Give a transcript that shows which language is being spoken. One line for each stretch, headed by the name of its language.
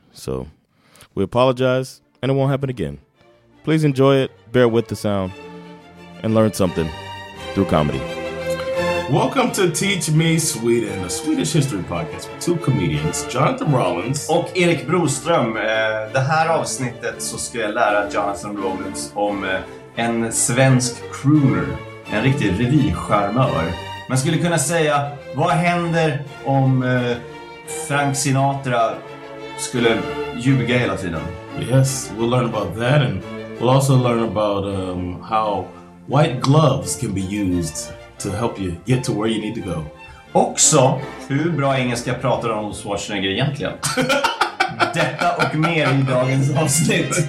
English: So we apologize, and it won't happen again. Please enjoy it, bear with the sound, and learn something through comedy. Welcome to Teach Me Sweden, a Swedish history podcast with two comedians, Jonathan Rollins
Swedish: och Erik Broström. Det här avsnittet så ska jag lära Jonathan Rollins om... en svensk crooner, en riktig revyskärmör. Man skulle kunna säga, vad händer om Frank Sinatra skulle ljuga hela tiden?
English: Yes, we'll learn about that, and we'll also learn about how white gloves can be used to help you get to where you need to go.
Swedish: Också, hur bra engelska pratar om Schwarzenegger egentligen? Detta och mer i dagens avsnitt.